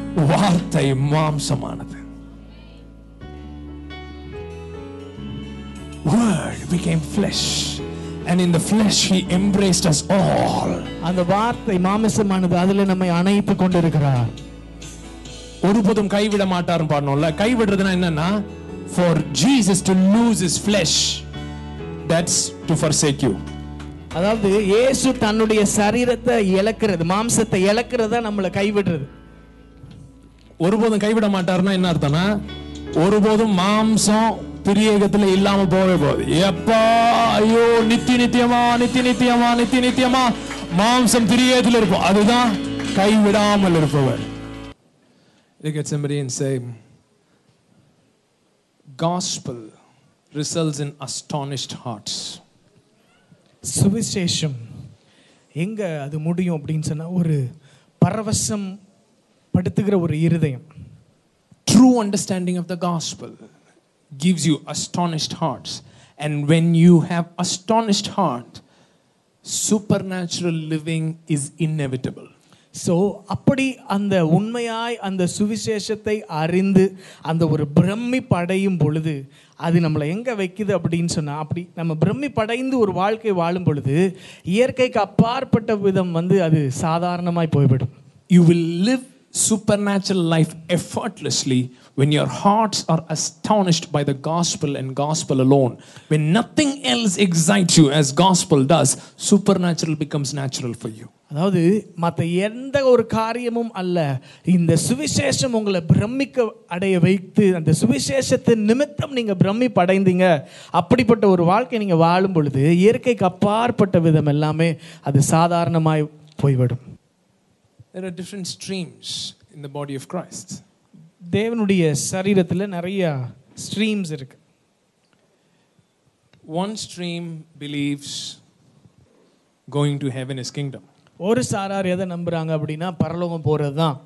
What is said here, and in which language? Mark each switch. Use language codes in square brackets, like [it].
[ta] வார்த்தை மாம்சமானது, [en] word became flesh. and in the flesh he embraced us all. [ta] அந்த வார்த்தை மாமிசமானது அதுல நம்மை அணைத்து கொண்டிருக்கிறார். ஒருபோதும் கைவிட மாட்டாரும் பாடணும்ல. கைவிடுறதுன்னா என்னன்னா, [en] for Jesus to lose his flesh, that's to forsake you. [ta] அதாவது இயேசு தன்னுடைய சரீரத்தை இழக்கிறது, மாம்சத்தை இழக்கிறதா நம்மளை கைவிடுறது. ஒருபோதும் கைவிட மாட்டாருன்னா என்ன அர்த்தம்னா, ஒருபோதும் மாம்சம் பிரியேகத்துல இல்லாம போவே போகுது. எப்பா ஐயோ நித்தி நித்தியமா நித்தி நித்தியமா நித்தி நித்தியமா மாம்சம் பிரியேகத்துல இருப்போம், அதுதான் கைவிடாமல் இருப்பவர். [en] Look at somebody and say, gospel results in astonished hearts. [ta] சுவிசேஷம் எங்க அது முடியும் அப்படின்னு சொன்னா, ஒரு பரவசம் படுத்துகிற ஒரு இருதயம். [en] True understanding of the gospel gives you astonished hearts, and when you have astonished heart, supernatural living is inevitable. [ta] So அப்படி அந்த உண்மையாய் அந்த சுவிசேஷத்தை அறிந்து அந்த ஒரு பிரம்மி படையும் பொழுது அது நம்மளை எங்க வைக்குது அப்படின்னு சொன்னா, அப்படி நம்ம பிரம்மி படைந்து ஒரு வாழ்க்கை வாழும் பொழுது இயற்கைக்கு அப்பாற்பட்ட விதம் வந்து அது சாதாரணமாய் போய்விடும். [en] You will live supernatural life effortlessly when your hearts are astonished by the gospel and gospel alone. When nothing else excites you as gospel does, supernatural becomes natural for you. [ta] அதாவது மற்ற எந்த ஒரு காரியமும் அல்ல, இந்த சுவிசேஷம் உங்களை பிரமிக்க அடைய வைத்து அந்த சுவிசேஷத்தின் நிமித்தம் நீங்க பிரமி படைந்தீங்க, அப்படிப்பட்ட ஒரு வாழ்க்கை நீங்க வாழும் பொழுது இயற்கைக்கு அப்பாற்பட்ட விதம் எல்லாமே அது சாதாரணமாய் போய்விடும். [en] There are different streams in the body of Christ. [ta] தேவனுடைய சரீரத்தில் நிறைய ஸ்ட்ரீம்ஸ் இருக்கு. [en] One stream believes going to heaven is kingdom. [ta] ஒரு சாரார் எதை நம்புறாங்க அப்படின்னா, பரலோகம் போறது